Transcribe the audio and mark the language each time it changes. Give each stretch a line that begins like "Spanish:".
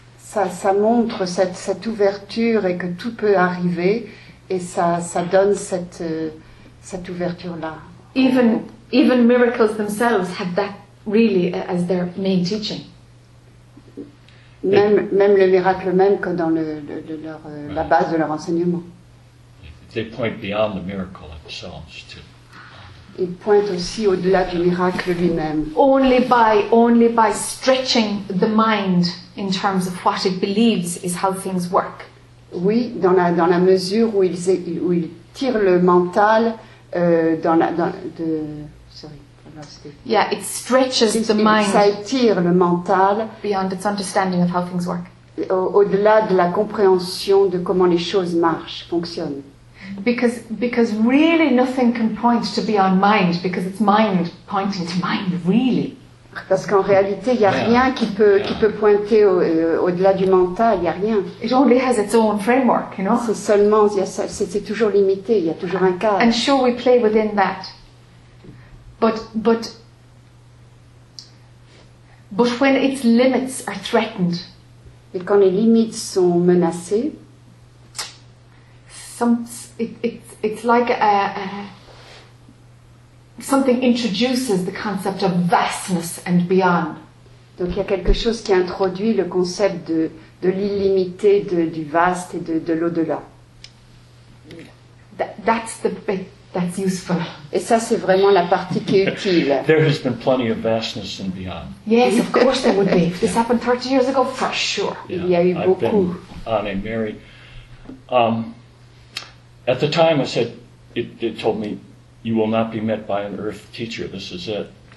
French: Ça montre cette ouverture et que tout peut arriver, et ça donne cette ouverture là.
English: Even miracles themselves have that really as their main teaching.
French: Même le miracle même que dans la base de leur enseignement.
English: They point beyond the miracle themselves too.
French: Ils pointent aussi au-delà du miracle lui-même.
English: Only by stretching the mind in terms of what it believes is how things work.
French: Oui, dans la mesure où ils tirent le mental
English: It stretches the mind.
French: Ça étire le mental
English: beyond its understanding of how things work.
French: Au-delà de la compréhension de comment les choses marchent, fonctionnent.
English: Because really nothing can point to beyond mind, because it's mind pointing to mind, really.
French: Parce qu'en réalité, il y a rien qui peut pointer au-delà du mental. Il y a rien.
English: It only has its own framework, you know.
French: C'est toujours limité. Il y a toujours un cadre.
English: And sure, we play within that. But when its limits are threatened,
French: et quand les limites sont menacées,
English: something introduces the concept of vastness and beyond.
French: Donc il y a quelque chose qui introduit le concept de l'illimité, du vaste et de l'au-delà.
English: That's the bit. That's useful.
French: Et ça, c'est vraiment la partie qui est utile.
English: There has been plenty of vastness and beyond. Yes, of course there would be. If this happened 30 years ago, for sure.
French: Yeah, il y a eu
English: I've
French: beaucoup.
English: Been on a Mary. At the time, I said, it told me, you will not be met by an earth teacher. This is it.